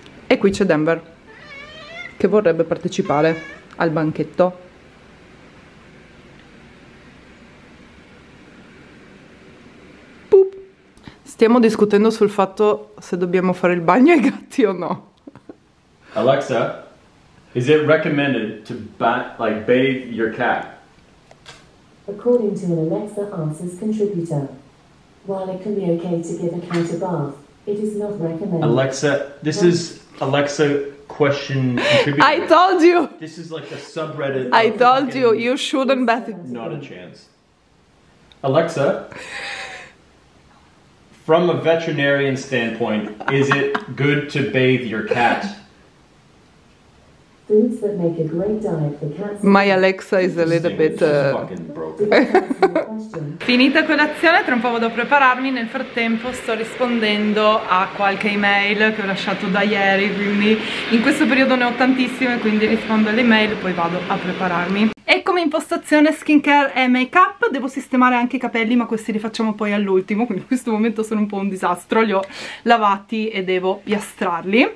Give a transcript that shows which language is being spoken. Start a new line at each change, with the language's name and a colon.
Italian: E qui c'è Denver, che vorrebbe partecipare al banchetto. Boop. Stiamo discutendo sul fatto se dobbiamo fare il bagno ai gatti o no.
English: Alexa, is it recommended to bathe your cat? According to an Alexa Answers contributor, while it can be okay to give a cat a bath, it is not recommended. Alexa, this is... Alexa question contributor. I told you. This is like a subreddit. I told you, you shouldn't bathe. Not a chance. Alexa, from a veterinarian standpoint, is it good to bathe your cat? Foods that make a great diet for cats. My Alexa is a little bit... This is fucking broken.
Italian: Finita colazione, tra un po' vado a prepararmi. Nel frattempo sto rispondendo a qualche email che ho lasciato da ieri, quindi in questo periodo ne ho tantissime, quindi rispondo alle email, poi vado a prepararmi. E come impostazione skincare e make-up, devo sistemare anche i capelli, ma questi li facciamo poi all'ultimo, quindi in questo momento sono un po' un disastro, li ho lavati e devo piastrarli.